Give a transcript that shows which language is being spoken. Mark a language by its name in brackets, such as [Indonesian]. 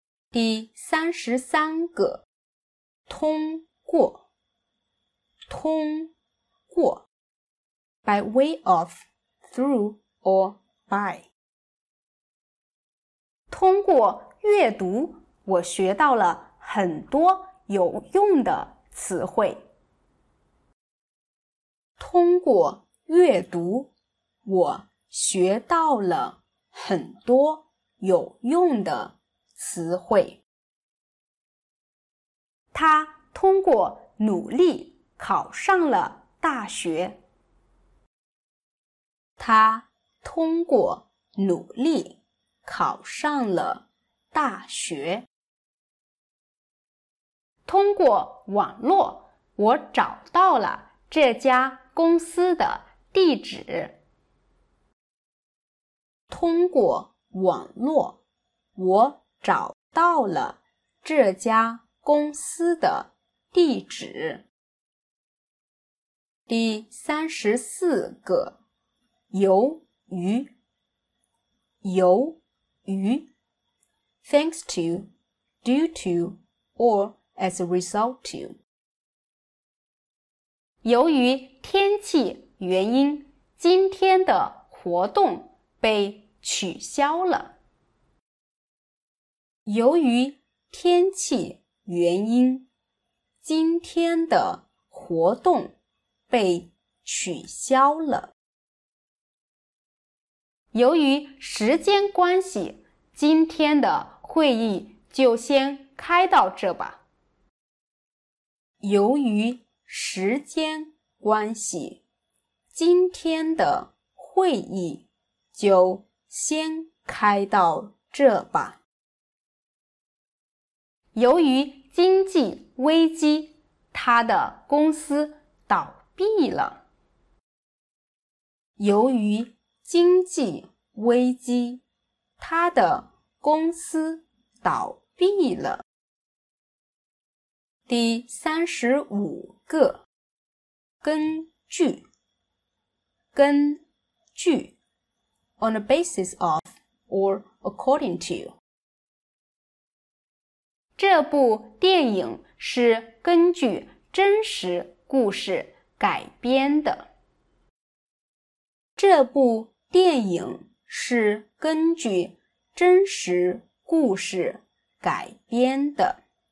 [Chinese] 第33个，通过，通过 [English] ，by way of, through or by。 [Chinese] 通过阅读，我学到了很多有用的词汇。通过阅读，我学到了很多有用的词汇。他通过努力考上了大学。他通过努力考上了大学。通过网络，我找到了这家公司的地址。通过网络，我找到了这家公司的地址。第34个，由于，由于 [English] ，thanks to, due to, or as a result to。 [Chinese] 由于天气原因，今天的活动被取消了。由于天气原因，今天的活动被取消了。由于时间关系，今天的会议就先开到这吧。由于时间关系，今天的会议就先开到这吧。由于经济危机，他的公司倒闭了。由于经济危机，他的公司倒闭了。第35个，根据，根据 [English] ，on the basis of or according to。 [Chinese] 这部电影是根据真实故事改编的。这部电影是根据真实故事改编的。